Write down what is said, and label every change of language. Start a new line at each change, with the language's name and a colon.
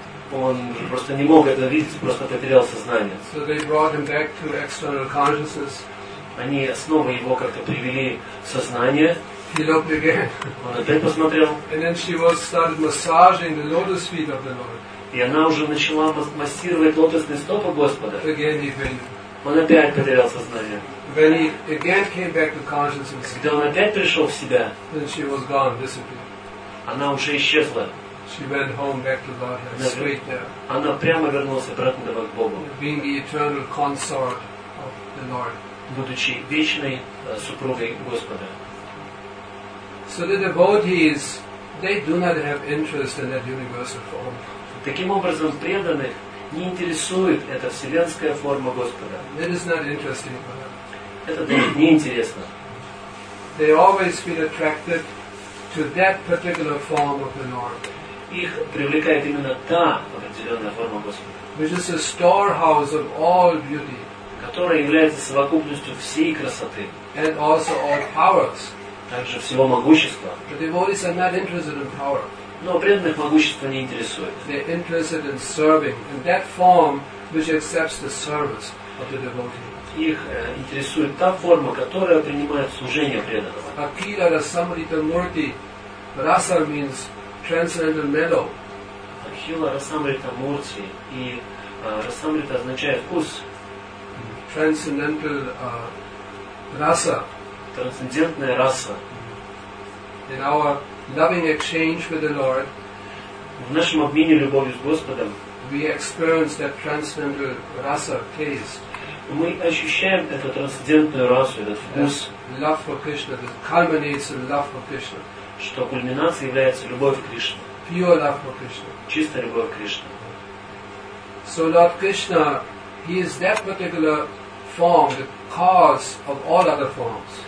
Russian: Он уже просто не мог это видеть, просто потерял сознание.
English: So they brought him back to external consciousness.
Russian: Они снова его как-то привели в сознание.
English: He looked again.
Russian: Он опять посмотрел.
English: And then she was started massaging the lotus feet of the Lord.
Russian: И она уже начала массировать лотосные стопы Господа.
English: Again he fainted.
Russian: Он опять потерял сознание.
English: When he again came back to consciousness.
Russian: Когда он опять пришел в себя.
English: Then she was gone, disappeared.
Russian: Она уже исчезла.
English: She went home back to Godhead, straight there.
Russian: Она прямо вернулась обратно домой к Богу.
English: Being the eternal consort of the Lord.
Russian: Будучи вечной супругой Господа.
English: So the devotees, they do not have interest in that universal form.
Russian: Таким образом, преданных не интересует эта вселенская форма Господа.
English: That is not interesting.
Russian: Это для них неинтересно.
English: They always feel attracted to that particular form of the Lord.
Russian: Их привлекает именно та определенная форма Господа.
English: Which is a storehouse of all beauty.
Russian: Которая является совокупностью всей красоты.
English: And also all powers.
Russian: Также всего могущества.
English: But the devotees are not interested in power.
Russian: Но преданных могущество не интересует.
English: They're interested in serving, in that form which accepts the service of the devotee.
Russian: Их интересует та форма, которая принимает служение преданного.
English: Акира Расамрита Мурти. Раса means transcendental mellow.
Russian: Акира Расамрита Мурти. И Расамрита означает вкус.
English: Transcendental раса.
Russian: Трансцендентная раса.
English: In our loving exchange with the Lord,
Russian: в нашем обмене любовью с Господом,
English: we experience that transcendental rasa taste.
Russian: Мы ощущаем эту трансцендентную расу, этот вкус.
English: Love for Krishna, that culminates in love for Krishna.
Russian: Что кульминацией является любовь к Кришне.
English: Pure love for Krishna.
Russian: Чистая любовь к Кришне.
English: So Lord Krishna, he is that particular form, the cause of all other forms.